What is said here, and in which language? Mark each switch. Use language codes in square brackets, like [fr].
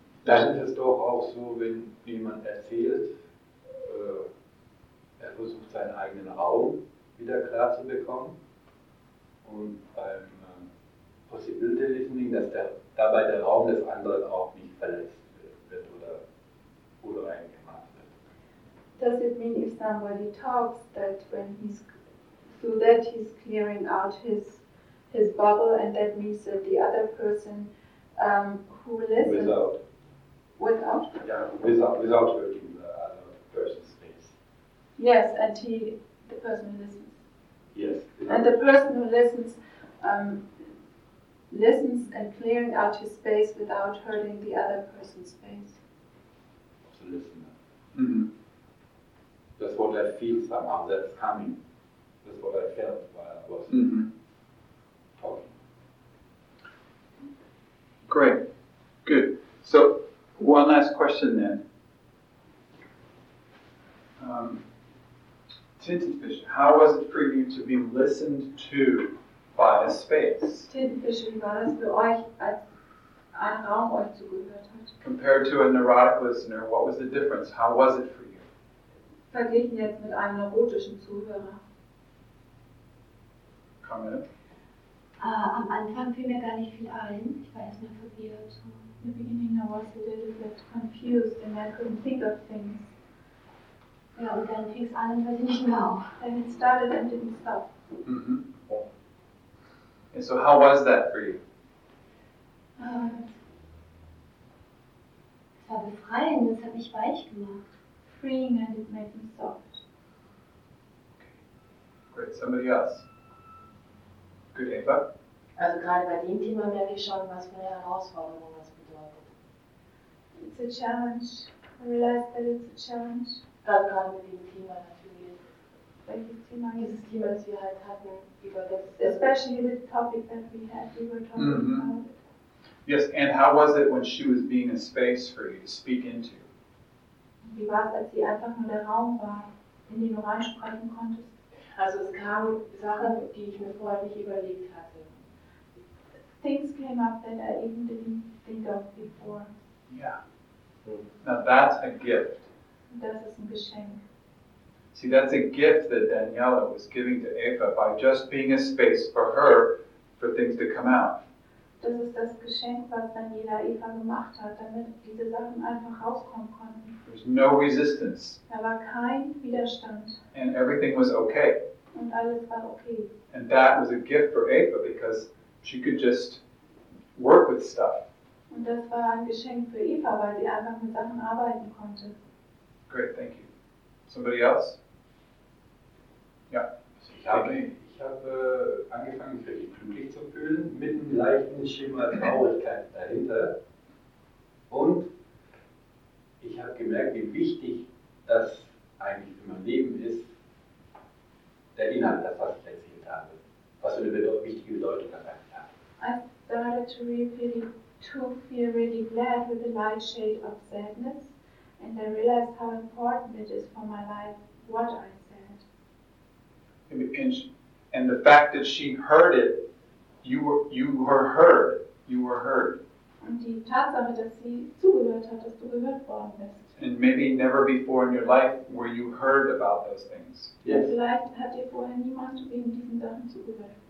[de] Dann ist es doch auch so, wenn jemand erzählt, er versucht seinen eigenen Raum wieder klar zu bekommen, und beim Possibility Listening, dass dabei der Raum des anderen auch nicht verletzt wird oder eingemacht wird. [en] Does it mean if somebody talks, that when he's... So that he's clearing out his bubble, and that means that the other person who listens without hurting the other person's face. Yes, and the person who listens. Yes. And the person who listens listens and clearing out his space without hurting the other person's face. Yeah. to listen. That's what I feel somehow, that's coming. That's what I felt while I was talking. Great. Good. So, one last question then. Tintenfischer, how was it for you to be listened to by a space? [de] Tintenfischer, wie war das für euch, als ein Raum euch zugehört hat? [en] Compared to a neurotic listener, what was the difference? How was it for you? [de] Verglichen jetzt mit einem neurotischen Zuhörer. Comment. Am Anfang fiel mir gar nicht viel ein. Ich war erstmal verwirrt. [en] In the beginning I was a little bit confused and I couldn't think of things. [de] Ja, und dann fing es an, weiß ich nicht mehr auf. [en] And it started and didn't stop. Mm-hmm. And so how was that for you? [de] Es war befreiend, es hat mich weich gemacht. [en] Freeing and it made me soft. Okay. Great, somebody else. Good, Eva. [de] Also gerade bei dem Thema merke ich schon, was für eine Herausforderung das bedeutet. [en] It's a challenge. I realize that it's a challenge. [de] Dann gerade mit dem Thema natürlich. Welches Thema? Dieses Thema, das wir halt hatten, über das. Especially the topic that we had, we were talking about. [en] Yes, and how was it when she was being a space for you to speak into? [de] Wie war es, als sie einfach nur der Raum war, in den du reinsprechen konntest? Also es kamen Sachen, die ich mir vorher nicht überlegt hatte. [en] Things came up that I even didn't think of before. Yeah. Now that's a gift. [de] Das ist ein Geschenk. [en] See, that's a gift that Daniela was giving to Eva by just being a space for her for things to come out. [de] Das ist das Geschenk, was Daniela Eva gemacht hat, damit diese Sachen einfach rauskommen konnten. [en] There's no resistance. [de] Da war kein Widerstand. [en] And everything was okay. [de] Und alles war okay. [en] And that was a gift for Eva because she could just work with stuff. [de] Und das war ein Geschenk für Eva, weil sie einfach mit Sachen arbeiten konnte. [en] Great, thank you. Somebody else? Ja. [de] Also ich habe angefangen, mich wirklich glücklich zu fühlen, mit einem leichten Schimmer Traurigkeit dahinter. Und ich habe gemerkt, wie wichtig das eigentlich für mein Leben ist, der Inhalt, das, was ich letztlich getan habe. Was für eine wichtige Bedeutung das eigentlich hat. [en] I started to feel really glad with a light shade of sadness. And I realized how important it is for my life, what I said. And the fact that she heard it, you were heard. [de] Und die Tatsache, dass sie zugehört hat, dass du gehört worden bist. [en] And maybe never before in your life were you heard about those things. Yes. [de] Vielleicht hat dir vorher niemand in diesen Sachen zugehört.